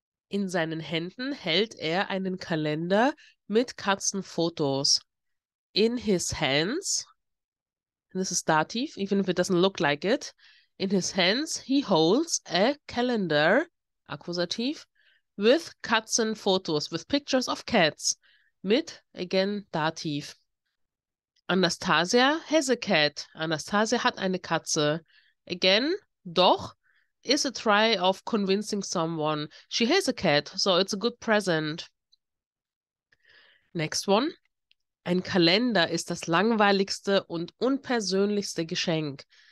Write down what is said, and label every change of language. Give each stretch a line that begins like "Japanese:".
German: In seinen Händen hält er einen Kalender mit Katzenfotos.
English: In his hands, and this is dative, even if it doesn't look like it, in his hands he holds a calendar, akkusativ, with Katzenfotos, with pictures of cats, mit, again, dative. Anastasia has a cat.
German: Anastasia hat eine Katze.
English: Again, doch. Is a try of convincing someone. She has a cat, so it's a good present. Next one.
German: Ein Kalender ist das langweiligste und unpersönlichste Geschenk.